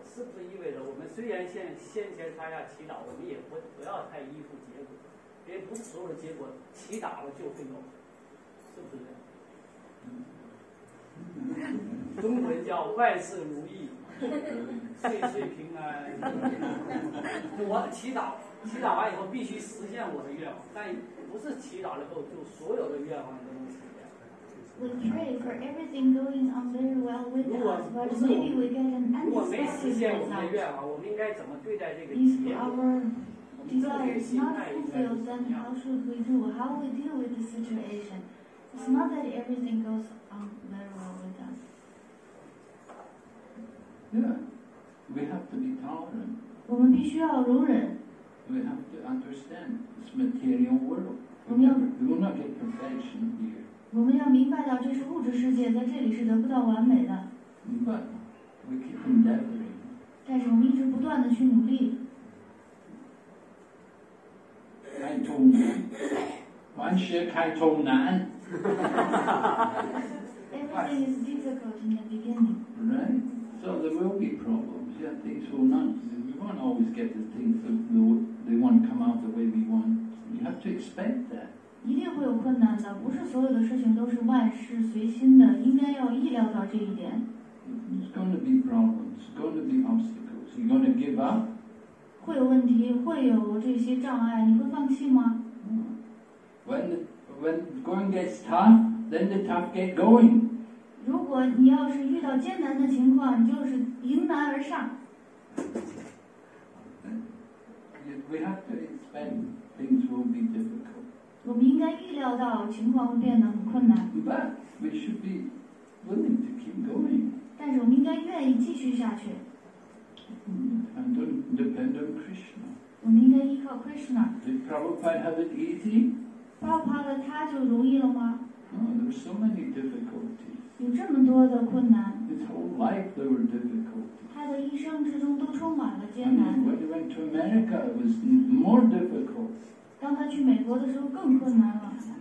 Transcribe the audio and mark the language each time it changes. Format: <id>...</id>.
<zh>是不是意味着我们虽然现先前参加乞讨，我们也不要太依附结果，因为不是所有的结果乞讨了就会有，是不是这样？中文叫万事如意，岁岁平安。我祈祷，祈祷完以后必须实现我的愿望，但不是祈祷了后就所有的愿望都能实现。</zh> <en>We pray for everything going on very well with us, but maybe we get an unexpected result. If our desire is not fulfilled, then how should we do? How we deal with the situation? It's not that everything goes on very well. Yeah, we have to be tolerant.</en> <zh>我们必须要容忍。</zh> <en>We have to understand this material world. We will not get perfection here.</en> <zh>我们要明白到这是物质世界，在这里是得不到完美的。</zh> <en>But we keep endeavoring.</en> <zh>但是我们一直不断的去努力。开通难，万事开通难。</zh> <en>Everything is difficult in the beginning. Right. So there will be problems. Yeah, things will not. We won't always get the things that they want to come out the way we want. You have to expect that.</en> <zh>一定会有困难的，不是所有的事情都是万事随心的，应该要意料到这一点。</zh> <en>There's going to be problems. There's going to be obstacles. You're going to give up?</en> <zh>会有问题，会有这些障碍，你会放弃吗</zh> <en>？When going gets tough, then the tough get going.</en> <zh>如果你要是遇到艰难的情况，就是迎难而上。</zh> <en>We have to expect things will be difficult.</en> <zh>我们应该预料到情况会变得很困难。</zh> <en>But we should be willing to keep going.</en> <zh>但是我们应该愿意继续下去。</zh> <en>And depend on Krishna.</en> <zh>我们应该依靠 Krishna.</zh> <en>Did Prabhupada have it easy?</en> <zh>巴帕的他就容易了吗？</zh> <en>No, there are so many difficulties.</en> <zh>有这么多的困难。</zh> <en>His whole life there were difficulties.</en> <zh>他的一生之中都充满了艰难。</zh> <en>When he went to America, it was more difficult.</en> <zh>当他去美国的时候更困难了。</zh>